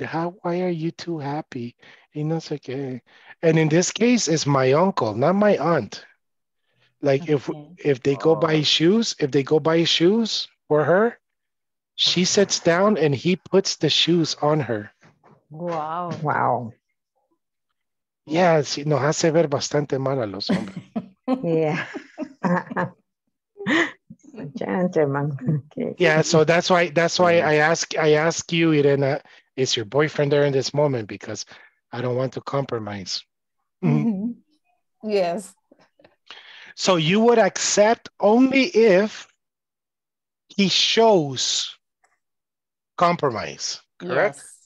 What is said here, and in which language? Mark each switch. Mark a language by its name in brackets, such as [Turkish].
[English] How, why are you too happy? You know, it's okay. And in this case, it's my uncle, not my aunt. Like, okay. if they go buy shoes, if they go buy shoes for her, she sits down and he puts the shoes on her. Wow. Wow. [Spanish] Yeah, sí, nos hace ver bastante mal a los hombres. [English] Yeah. Gentleman. Okay. Yeah, so that's why I ask you, Irena, is your boyfriend there in this moment? Because I don't want to compromise. Mm-hmm. Yes. So you would accept only if he shows compromise, correct?